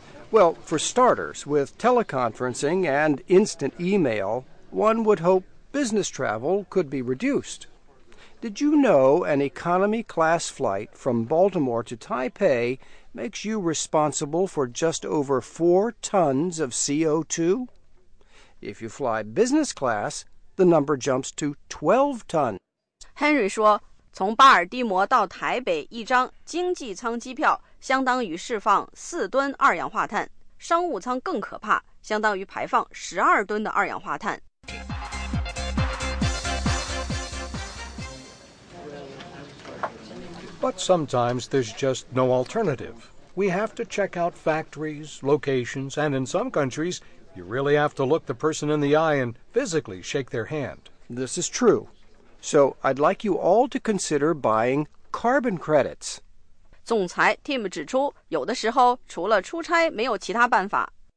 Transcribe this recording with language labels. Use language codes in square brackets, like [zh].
[en] Well, for starters, with teleconferencing and instant email, one would hope business travel could be reduced. Did you know an economy class flight from Baltimore to Taipei? Makes you responsible for just over 4 tons of CO2. If you fly business class, the number jumps to 12 tons. [zh] Henry 说，从巴尔的摩到台北，一张经济舱机票相当于释放4吨二氧化碳。商务舱更可怕，相当于排放12吨的二氧化碳。 [en] But sometimes there's just no alternative. We have to check out factories, locations, and in some countries, you really have to look the person in the eye and physically shake their hand. This is true. So I'd like you all to consider buying carbon credits. [zh] 总裁 Tim 指出，有的时候除了出差没有其他办法。